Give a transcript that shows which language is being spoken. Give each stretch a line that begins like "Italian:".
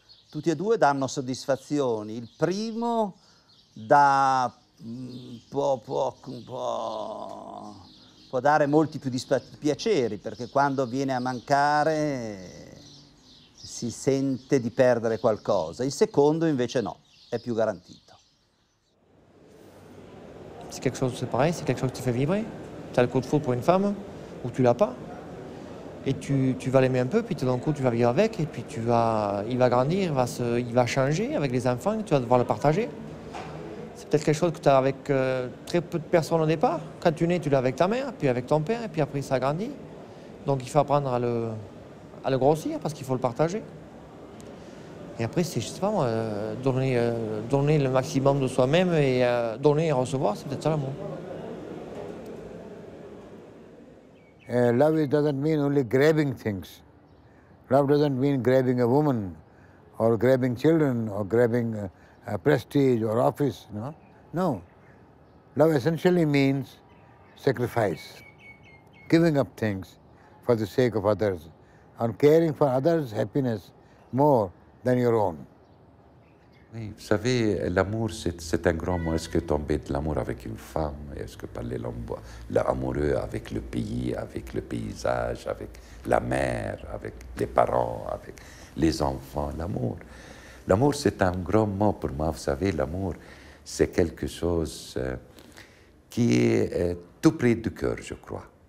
Italian: Tutti e due danno soddisfazioni. Il primo dà può dare molti più piaceri, perché quando viene a mancare si sente di perdere qualcosa. Il secondo invece no, è più garantito.
French: C'est quelque chose de séparé, c'est quelque chose qui te fait vibrer. T'as le coup de foudre pour une femme ou tu l'as pas. Et tu vas l'aimer un peu, puis tout d'un coup tu vas vivre avec, et puis il va grandir, il va changer avec les enfants, tu vas devoir le partager. C'est peut-être quelque chose que tu as avec très peu de personnes au départ. Quand tu nais, tu l'as avec ta mère, puis avec ton père, et puis après ça grandit. Donc il faut apprendre à le grossir, parce qu'il faut le partager. Et après, c'est, je sais pas moi, donner le maximum de soi-même et donner et recevoir, c'est peut-être ça l'amour.
English: Love doesn't mean only grabbing things. Love doesn't mean grabbing a woman, or grabbing children, or grabbing a prestige or office, no? No. Love essentially means sacrifice, giving up things for the sake of others, and caring for others' happiness more than your own.
French: Oui, vous savez, l'amour, c'est un grand mot. Est-ce que tomber de l'amour avec une femme? Est-ce que parler l'amoureux avec le pays, avec le paysage, avec la mer, avec les parents, avec les enfants? L'amour. L'amour, c'est un grand mot pour moi. Vous savez, l'amour, c'est quelque chose qui est tout près du cœur, je crois.